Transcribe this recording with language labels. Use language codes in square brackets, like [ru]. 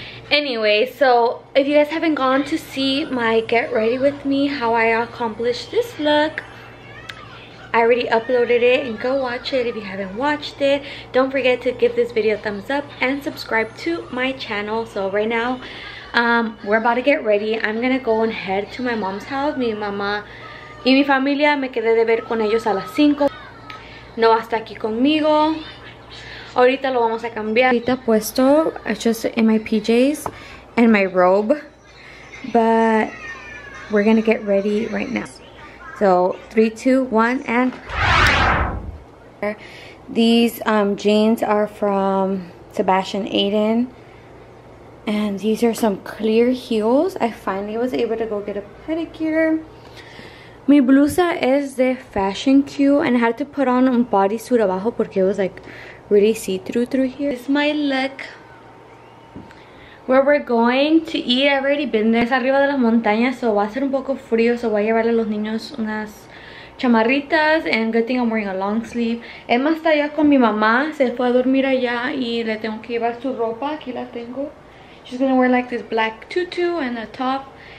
[en] Anyway, so if you guys haven't gone to see my get ready with me, how I accomplished this look, I already uploaded it, and go watch it if you haven't watched it. Don't forget to give this video a thumbs up and subscribe to my channel. So right now, we're about to get ready. I'm gonna go and head to my mom's house. [es] Mi mamá y mi familia me quedé de ver con ellos a las 5. No hasta aquí conmigo. Ahorita lo vamos a cambiar. Ahorita puesto, [en] just in my PJs and my robe. But we're gonna get ready right now. So 3, 2, 1, and these jeans are from Sebastian Aiden. And these are some clear heels. I finally was able to go get a pedicure. [es] Mi blusa es de Fashion Q, [en] and I had to put on a bodysuit [es] abajo porque [en] it was like really see-through through here. This is my look. Where we're going to eat, I've already been there. [es] Es arriba de las montañas, so va a ser un poco frío, so voy a llevarle a los niños unas chamarritas, [en] and good thing I'm wearing a long sleeve. [es] Emma está allá con mi mamá, se fue a dormir allá, y le tengo que llevar su ropa, aquí la tengo. [en] She's gonna wear like this black tutu and a top.